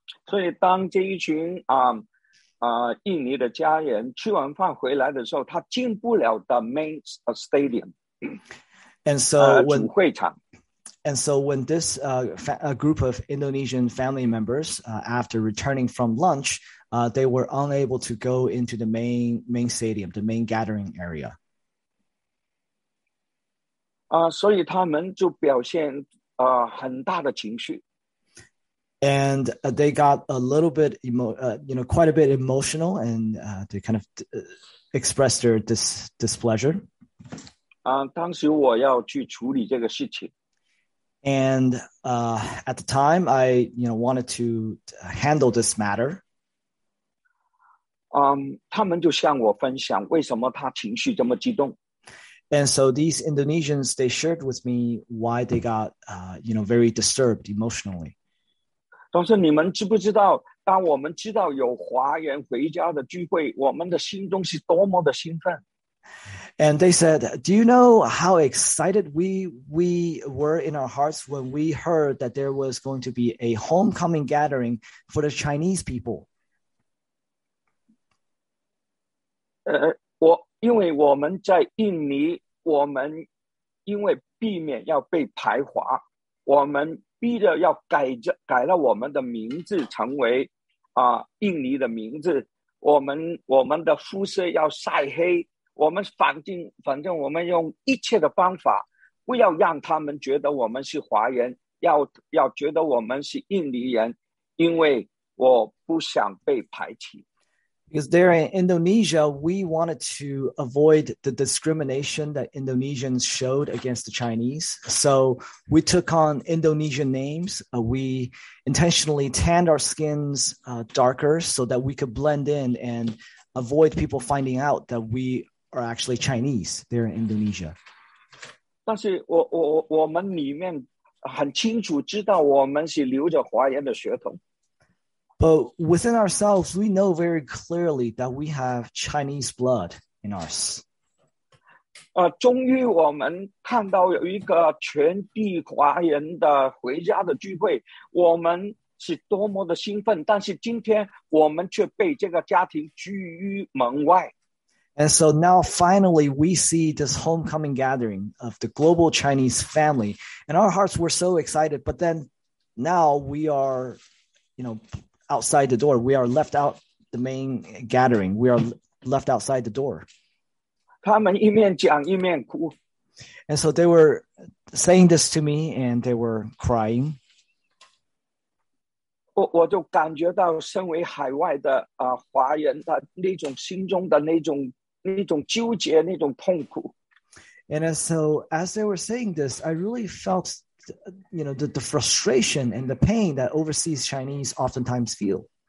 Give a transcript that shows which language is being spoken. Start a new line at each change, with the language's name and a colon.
English: So when this group,
Chinese: 印尼的家人吃完饭回来的时候，他进不了
English: the main stadium. And so when
Chinese: 主会场。
English: And so when this a group of Indonesian family members after returning from lunch, they were unable to go into the main stadium, the main gathering area.
Chinese: 所以他们就表现很大的情绪。
English: And they got a little bit, quite a bit emotional, and they kind of expressed their displeasure.
Chinese: 当时我要去处理这个事情。
English: And at the time, I, wanted to handle this matter.
Chinese: 他们就向我分享为什么他情绪这么激动。
English: And so these Indonesians, they shared with me why they got, very disturbed emotionally.
Chinese: 总是你们知不知道，当我们知道有华人回家的聚会，我们的心中是多么的兴奋。
English: And they said, do you know how excited we were in our hearts when we heard that there was going to be a homecoming gathering for the Chinese people?
Chinese: 我因为我们在印尼，我们因为避免要被排华，我们逼着要改了我们的名字成为印尼的名字，我们的肤色要晒黑，我们反正我们用一切的方法不要让他们觉得我们是华人，要觉得我们是印尼人，因为我不想被排挤。
English: Because there in Indonesia, we wanted to avoid the discrimination that Indonesians showed against the Chinese. So we took on Indonesian names. We intentionally tanned our skins darker so that we could blend in and avoid people finding out that we are actually Chinese there in Indonesia.
Chinese: 但是我们里面很清楚知道我们是留着华人的血统。
English: But within ourselves, we know very clearly that we have Chinese blood in us.
Chinese: 终于我们看到有一个全体华人的回家的聚会，我们是多么的兴奋，但是今天我们却被这个家庭拒于门外。
English: And so now finally we see this homecoming gathering of the global Chinese family, and our hearts were so excited, but then now we are, you know,outside the door. We are left out the main gathering. We are left outside the door.
Chinese: 他们一面讲一面哭。
English: And so they were saying this to me and they were crying.
Chinese: 我就感觉到身为海外的华人的那种心中的那种纠结那种痛苦。
English: And so as they were saying this, I really felt... you know, the frustration and the pain that overseas Chinese oftentimes feel.